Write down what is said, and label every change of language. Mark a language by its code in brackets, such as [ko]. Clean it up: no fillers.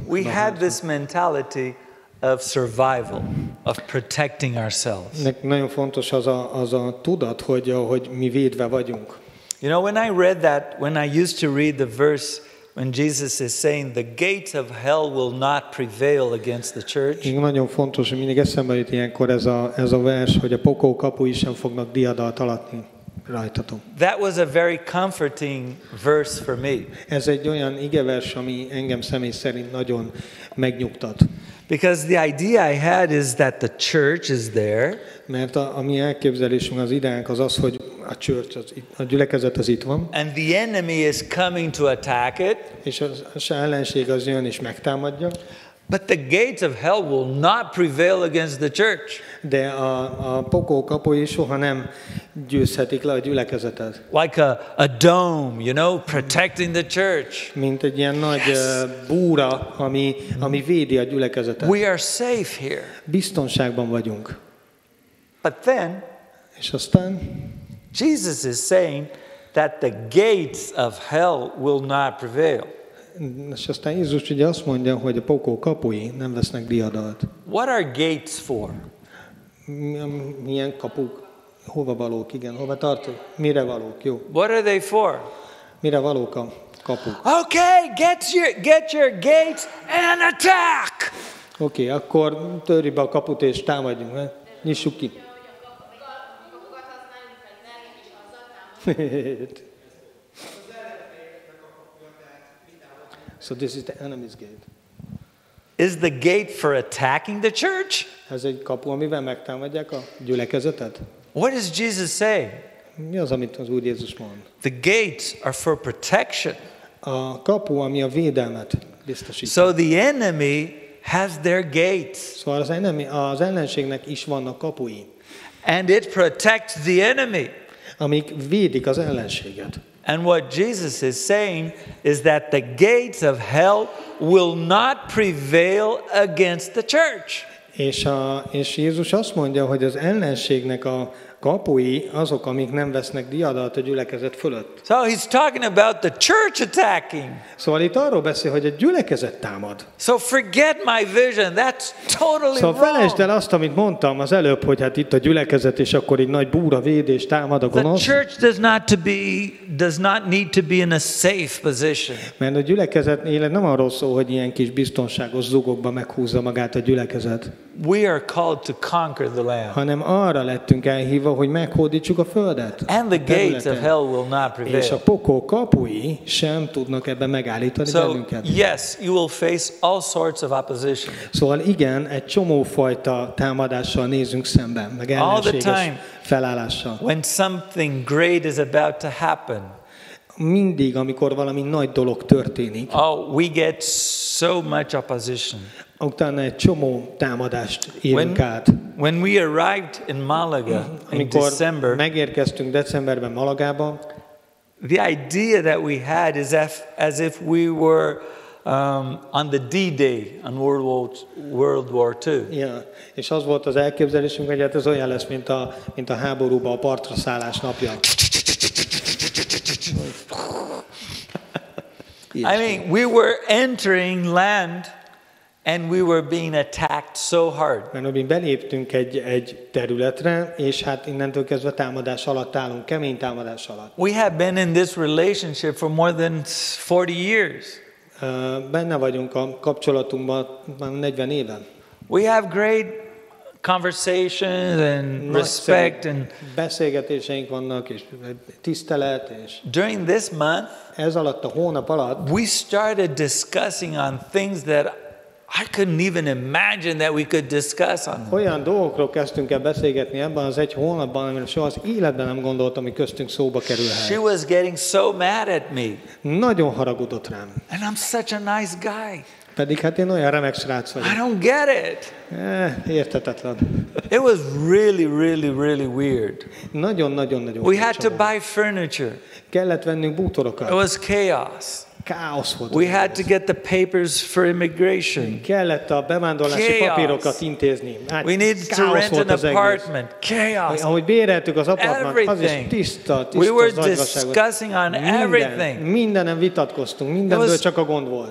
[en] We had this mentality of survival, of protecting ourselves. [hu] Nagyon fontos az a tudat, hogy mi védve vagyunk. [en] You know, when I read that, when I used to read the verse when Jesus is saying the gates of hell will not prevail against the church. [hu] Nagyon fontos, hogy mindig eszembe jut ilyenkor ez a vers, hogy a pokol kapui sem fognak diadalt alatni rajtatok. [en] That was a very comforting verse for me. [hu] Ez egy olyan igevers, ami engem személy szerint nagyon megnyugtat. [en] Because the idea I had is that the church is there. [hu] Mert a mi elképzelésünk, az ideánk az az, hogy a church, a gyülekezet az itt van. [en] And the enemy is coming to attack it. [hu] És az ellenség az jön és megtámadja. [en] But the gates of hell will not prevail against the church. [hu] De a pokol kapuja soha nem győzhetik le a gyülekezetet. [en] Like a dome, you know, protecting the church. [hu] Mint egy ilyen nagy búra, ami védi a gyülekezetet. [en] We are safe here. [hu] Biztonságban vagyunk. [en] But then, [hu] és aztán, [en] Jesus is saying that the gates of hell will not prevail. [hu] És aztán Jézus ugye azt mondja, hogy a pokol kapui nem vesznek diadalt. [en] What are gates for? [hu] Milyen kapuk? Hova valók? Igen, hova tartok? Mire valók? Jó. [en] What are they for? [hu] Mire valók a kapuk? [en] Okay, get your gates and attack! [hu] Okay, akkor törj be a kaput és támadjunk. Nyissuk ki. [en] So this is the enemy's gate. Is the gate for attacking the church? [hu] Ez egy kapu, amivel megtámadják a gyülekezetet. [en] What does Jesus say? [hu] Mi az, amit az Úr Jézus mond? [en] The gates are for protection. [hu] A kapu, ami a védelmet biztosít. [en] So the enemy has their gates. [hu] Szóval az ellenségnek is vannak kapui. [en] And it protects the enemy. [hu] Amik védik az ellenséget. [en] And what Jesus is saying is that the gates of hell will not prevail against the church. [hu] És Jézus azt mondja, hogy az ellenségnek a kapui azok, amik nem vesznek diadalt a gyülekezet fölött. [en] So he's talking about the church attacking. [hu] Szóval itt arról beszél, hogy a gyülekezet támad. [en] So forget my vision, that's totally wrong. [hu] Szóval felejtsd el azt, amit mondtam az előbb, hogy hát itt a gyülekezet, és akkor egy nagy búra véd és támad a gonosz. [en] The church does not need to be in a safe position. [hu] Mert a gyülekezet élet nem arról szól, hogy ilyen kis biztonságos zugokba meghúzza magát a gyülekezet. [en] We are called to conquer the land. [hu] Hanem arra lettünk elhívva, hogy meghódítsuk a földet. [en] And the gates of hell will not prevail. [hu] És a pokol kapui sem tudnak ebben megállítani bennünket. [en] So yes, you will face all sorts of opposition. [hu] Szóval igen, egy csomó fajta támadással nézünk szemben, meg ellenséges felállással. [en] When something great is about to happen. [hu] Mindig, amikor valami nagy dolog történik. [en] Oh, we get so much opposition. [hu] Utána egy csomó támadást élünk át. [en] When we arrived in Malaga in December, [hu] megérkeztünk decemberben Malagába. [en] The idea that we had is as if we were on the D-Day on World War II. Yeah. [hu] És az volt az elképzelésünk, hogy ez olyan lesz, mint a háborúba a partra szállás napja. [en] I mean, we were entering land. And we were being attacked so hard. [hu] Mert beléptünk egy területre, és hát innentől kezdve támadás alatt állunk, kemény támadás alatt. [en] We have been in this relationship for more than 40 years. [hu] Benne vagyunk a kapcsolatunkban már 40 éve. [en] We have great conversations and respect and [hu] beszélgetéseink vannak és tisztelet és [en] during this month, [hu] ez alatt a hónap alatt, [en] we started discussing on things that I couldn't even imagine that we could discuss on. [hu] Olyan dolgokról kezdtünk el beszélgetni ebben az egy hónapban, amire soha az életben nem gondoltam, hogy köztünk szóba kerülhet. [en] She was getting so mad at me. [hu] Nagyon haragudott rám. [en] And I'm such a nice guy. [hu] Pedig hát én olyan remek srác vagyok. [en] I don't get it. [hu] Értetetlen. [en] It was really, really, really weird. [hu] Nagyon. [en] We had to buy furniture. [hu] Kellett vennünk bútorokat. [en] It was chaos. [hu] Káosz volt. [en] We had to get the papers for immigration. [hu] Kellett a bevándorlási papírokat intézni. [en] We need to rent an apartment. Chaos. [hu] Ahogy béreltük az apartmant, az is tiszta. [en] We were discussing on everything. [hu] Mindenen vitatkoztunk, mindenből csak a gond volt.